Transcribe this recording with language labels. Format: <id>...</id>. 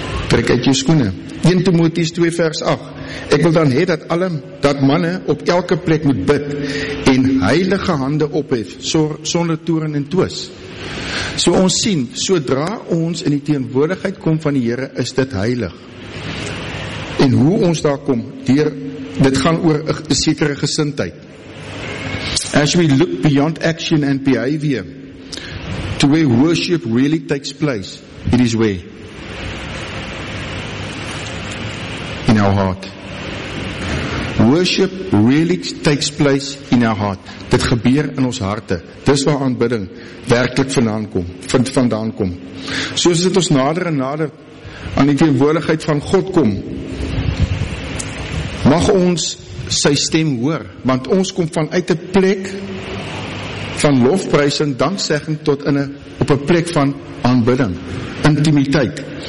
<af>Trek uit jou skoene. 1 Timoteus 2 vers 8, ek wil dan hê dat manne op elke plek moet bid en heilige hande ophef sonder toorn en twis. So ons sien, sodra ons in die teenwoordigheid kom van die Here, is dit heilig. En hoe ons daar kom, dit gaan oor 'n sekere gesindheid.</af> <en>As we look beyond action and behavior to where worship really takes place, it is where? In our heart. Worship really takes place in our heart.</en> <af>Dit gebeur in ons harte. Dis waar aanbidding werklik vandaan kom. Soos dit ons nader en nader aan die teenwoordigheid van God kom, mag ons sy stem hoor, want ons kom vanuit 'n plek van lofprysing, danksegging tot op 'n plek van aanbidding, intimiteit.</af>